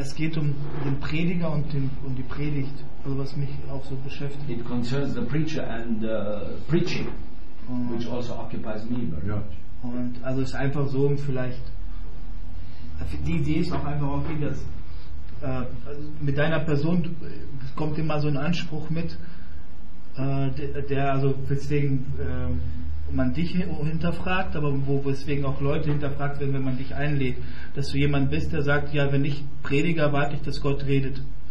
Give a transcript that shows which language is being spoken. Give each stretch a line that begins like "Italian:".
German: Es geht um den Prediger und die Predigt, also was mich auch so beschäftigt.
English: It concerns the preacher and the preaching, which also occupies me very much.
German: Und also ist einfach so, um vielleicht. Die Idee ist auch einfach, wie das mit deiner Person kommt immer so ein Anspruch mit, der also weswegen man dich hinterfragt, aber wo weswegen auch Leute hinterfragt werden, wenn man dich einlädt, dass du jemand bist, der sagt, ja, wenn ich Prediger, warte ich, dass Gott redet.